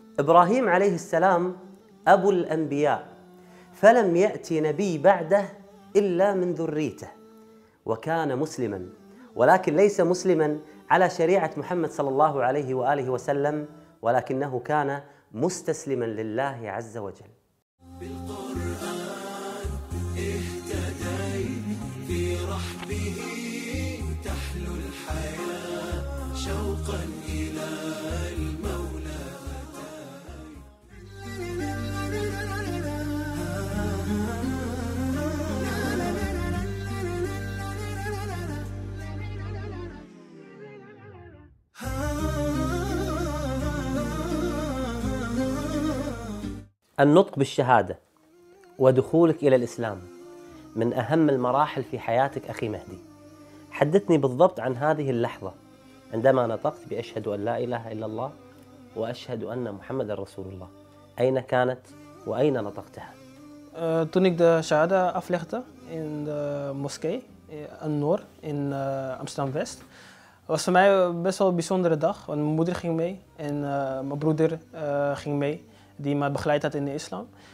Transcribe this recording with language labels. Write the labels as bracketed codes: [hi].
[ar] Ibrahim alayhi salam, abu al-anbiya, falam ya'ti nabi ba'dah illa min dhurriyatihi wa kana musliman, walakin laysa musliman على شريعة محمد صلى الله عليه وآله وسلم ولكنه كان مستسلما لله عز وجل. بالقرآن اهتدي في رحبه تحلو الحياة شوقا إلى المولى النطق بالشهادة ودخولك إلى الإسلام من أهم المراحل في حياتك أخي مهدي. حدثني بالضبط عن هذه اللحظة عندما نطقت بأشهد أن لا إله إلا الله وأشهد أن محمد رسول الله. أين كانت وأين نطقتها؟ [nl] Toen ik de shahada aflegde in de moskee An-Noor in Amsterdam West, was voor mij best wel een bijzondere dag, want mijn moeder ging mee en mijn broeder ging mee, die me begeleid had in de islam.